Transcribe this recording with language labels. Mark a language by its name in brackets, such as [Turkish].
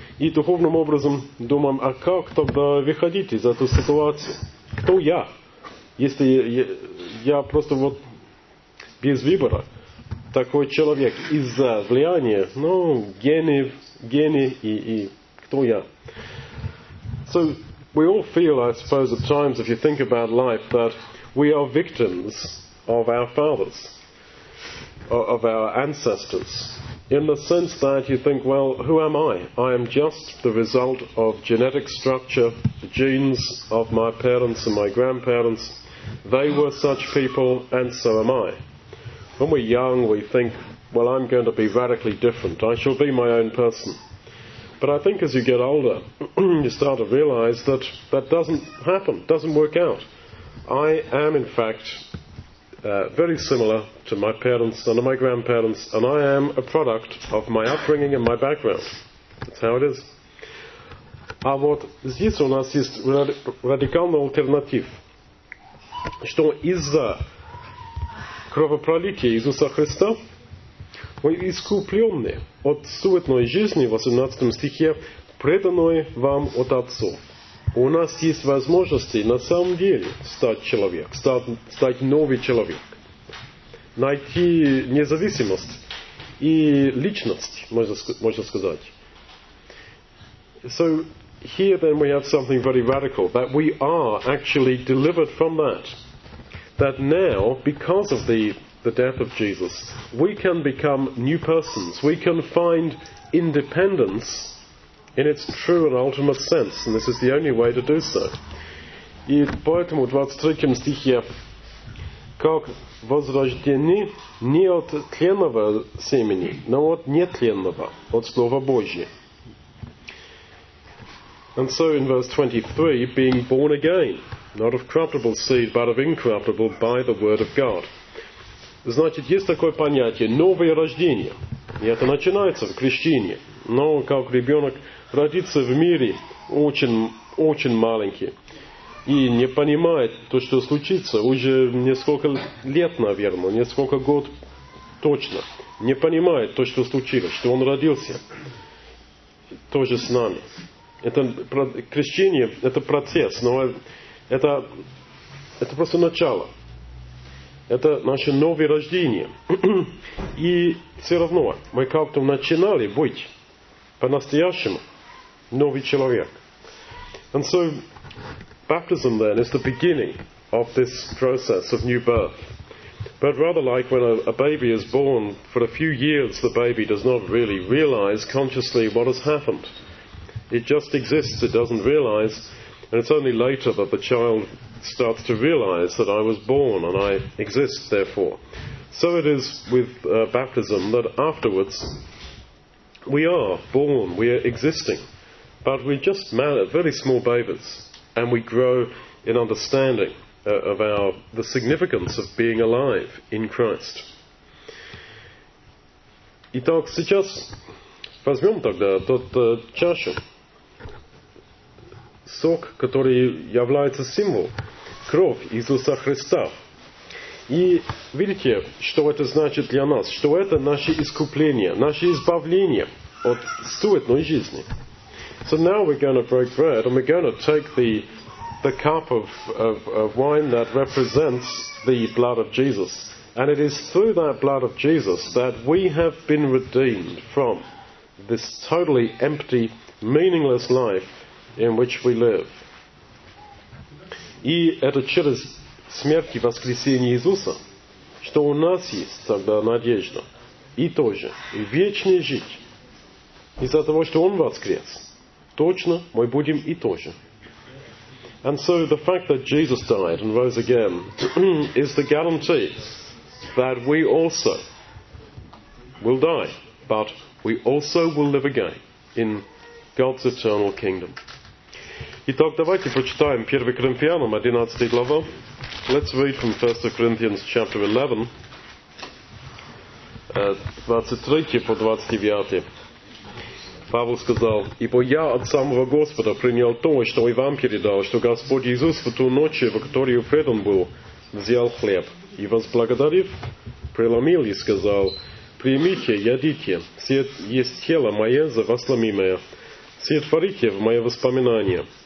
[Russian] И духовным образом думаем, а как тогда выходить из этой ситуации? Кто я? Если я просто вот без выбора такой человек из-за влияния, ну, гены и кто я? [English] So, we all feel, I suppose, at times, if you think about life, that we are victims of our fathers, of our ancestors, in the sense that you think, well, who am I? I am just the result of genetic structure, the genes of my parents and my grandparents. They were such people, and so am I. When we're young, we think, well, I'm going to be radically different. I shall be my own person. But I think as you get older, you start to realize that that doesn't happen, doesn't work out. I am, in fact, very similar to my parents and to my grandparents, and I am a product of my upbringing and my background. That's how it is. [Russian] А вот здесь у нас есть радикальный альтернатив, что из-за кровопролития Иисуса Христа мы искупленные от суетной жизни, в 18 стихе, преданной вам от отцов. У нас есть возможности на самом деле стать человек, стать новый человек, найти независимость и личность, можно сказать. [English] So here then we have something very radical, that we are actually delivered from that. That now, because of the death of Jesus, we can become new persons. We can find independence in its true and ultimate sense, and this is the only way to do so. [Russian] И поэтому в 23 стихе, как возрождены не от тленного семени, но от нетленного, от Слова Божия. [English] And so in verse 23, being born again, not of corruptible seed, but of incorruptible, by the word of God. [Russian] Значит, есть такое понятие «новое рождение». И это начинается в крещении. Но как ребенок родится в мире очень, очень маленький и не понимает то, что случится, уже несколько лет, наверное, несколько год точно, не понимает то, что случилось, что он родился тоже с нами. Это крещение – это процесс, но это просто начало. Это наше новое рождение. И все равно мы как-то начинали быть по-настоящему новый человек. [English] And so, baptism then is the beginning of this process of new birth. But rather like when a baby is born, for a few years the baby does not really realize consciously what has happened. It just exists, it doesn't realize, and it's only later that the child starts to realize that I was born and I exist, therefore. So it is with baptism, that afterwards we are born, we are existing, but we're just very small babies, and we grow in understanding of the significance of being alive in Christ. [Russian] Итак, сейчас возьмем тогда тот чашу, сок, который является символом, кровь Иисуса Христа. И видите, что это значит для нас, что это наше искупление, наше избавление от суетной жизни. [English] So now we're going to break bread and we're going to take the cup of wine that represents the blood of Jesus. And it is through that blood of Jesus that we have been redeemed from this totally empty, meaningless life in which we live. [Russian] И это через смерть и воскресение Иисуса, что у нас есть тогда надежда и тоже, и вечная жизнь. Из-за того, что Он воскрес, точно мы будем и тоже. [English] And so the fact that Jesus died and rose again is the guarantee that we also will die, but we also will live again in God's eternal kingdom. [Russian] Итак, давайте почитаем 1 Коринфянам 11 глава. [English] Let's read from 1 Corinthians chapter 11, 23 [Russian] по 29. Павел сказал: «Ибо я от самого Господа принял то, что и вам передал, что Господь Иисус в ту ночь, в которую предан был, взял хлеб, и, возблагодарив, преломил и сказал: «Примите, едите, все есть тело мое за вас ломимое, все творите в мое воспоминание».